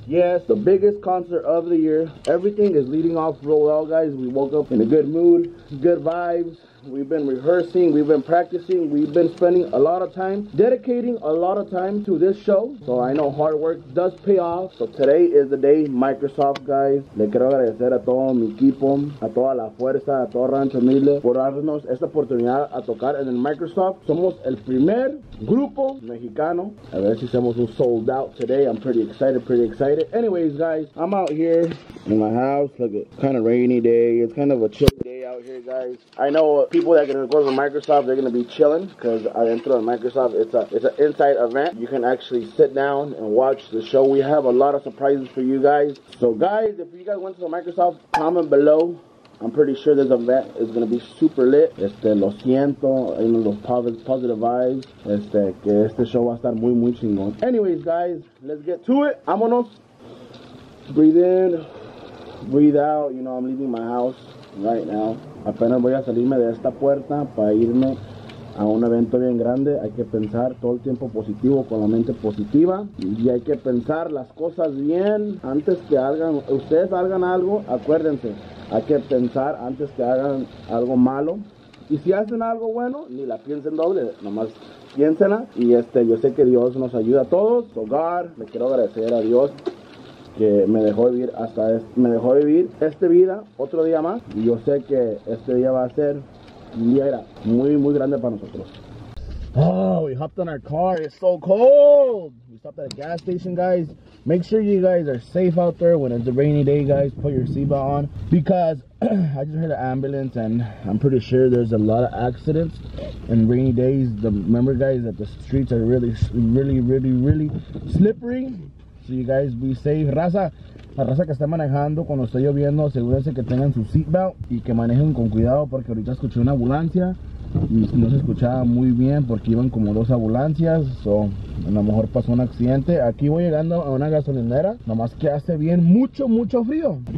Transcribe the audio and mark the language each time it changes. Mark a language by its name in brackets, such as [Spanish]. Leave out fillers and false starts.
[English] Yes, the biggest concert of the year. Everything is leading off real well, guys. We woke up in a good mood, good vibes. We've been rehearsing, we've been practicing, we've been spending a lot of time, dedicating a lot of time to this show. So I know hard work does pay off. So today is the day, Microsoft, guys. [Spanish] Le quiero agradecer a todo mi equipo, a toda la fuerza, a todo Rancho Mille, por darnos esta oportunidad a tocar en el Microsoft. Somos el primer grupo mexicano. A ver si somos un [English] sold out today. I'm pretty excited, pretty excited. Anyways, guys, I'm out here in my house. Look, it's kind of rainy day. It's kind of a chill day out here, guys. I know people that can record with Microsoft, they're gonna be chilling, because adentro of Microsoft, it's an inside event. You can actually sit down and watch the show. We have a lot of surprises for you guys. So guys, if you guys went to the Microsoft, comment below. I'm pretty sure this event is gonna be super lit. [Spanish] Lo siento, en los [English] positive vibes. [Spanish] Que este show va a estar muy, muy chingón. [English] Anyways, guys, let's get to it. Vámonos. Breathe in, breathe out. You know, I'm leaving my house right now. [Spanish] Apenas voy a salirme de esta puerta para irme a un evento bien grande. Hay que pensar todo el tiempo positivo, con la mente positiva. Y hay que pensar las cosas bien antes que hagan, ustedes hagan algo. Acuérdense, hay que pensar antes que hagan algo malo. Y si hacen algo bueno, ni la piensen doble, nomás piénsela. Y yo sé que Dios nos ayuda a todos. [English] So God, [Spanish] le quiero agradecer a Dios que me dejó vivir hasta me dejó vivir esta vida otro día más. Y yo sé que este día va a ser un día era muy, muy grande para nosotros. [English] Oh, we hopped on our car. It's so cold. We stopped at a gas station, guys. Make sure you guys are safe out there when it's a rainy day, guys. Put your seatbelt on, because I just heard an ambulance, and I'm pretty sure there's a lot of accidents in rainy days. Remember, guys, that the streets are really, really, really, really slippery. So you guys be safe. [Spanish] Raza, la raza que está manejando cuando está lloviendo, asegúrense que tengan su seatbelt y que manejen con cuidado, porque ahorita escuché una ambulancia y no se escuchaba muy bien porque iban como dos ambulancias. So, a lo mejor pasó un accidente. Aquí voy llegando a una gasolinera, nomás que hace bien mucho, mucho frío.